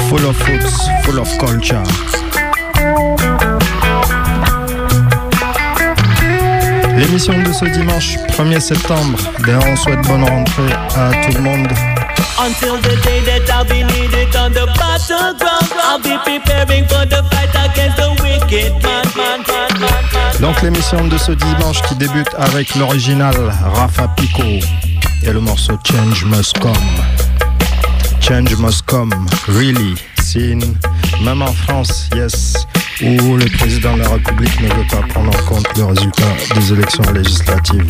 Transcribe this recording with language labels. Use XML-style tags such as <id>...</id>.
<en>Full of roots, full of culture.</en> <fr>L'émission de ce dimanche, 1er septembre. Ben on souhaite bonne rentrée à tout le monde.</fr> <en>Until the day that I'll be needed on the battleground, I'll be preparing for the fight against the wicked man, man, man, man.</en> <fr>Donc l'émission de ce dimanche qui débute avec l'original Rafa Pico et le morceau Change Must Come. Change Must Come,</fr> <en>really, seen,</en> <fr>même en France, yes, où le président de la République ne veut pas prendre en compte le résultat des élections législatives.</fr>